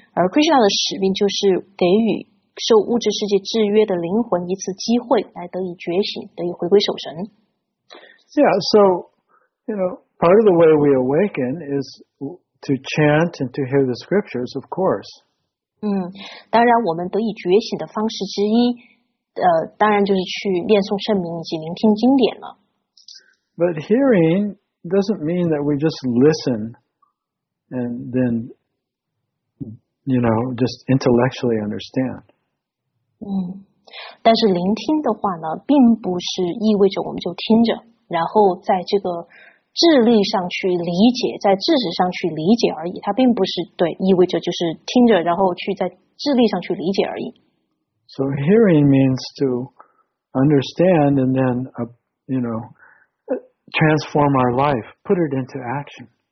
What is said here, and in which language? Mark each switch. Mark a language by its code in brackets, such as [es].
[zh] 而 Krishna 的使命就是给予受物质世界制约的灵魂一次机会，来得以觉醒，得以回归守神。 [en] Yeah, so you know, part of the way we awaken is to chant and to hear the scriptures, of course. [zh] 当然，我们得以觉醒的方式之一，当然就是去念诵圣名以及聆听经典了。 [en] But hearing doesn't mean that we just listen and then, you know, just intellectually understand. [zh] 但是聆听的话呢，并不是意味着我们就听着，然后在这个智力上去理解，在知识上去理解而已。它并不是对意味着就是听着，然后去在智力上去理解而已。 [en] So hearing means to understand and then, you know, transform our life, put it into action.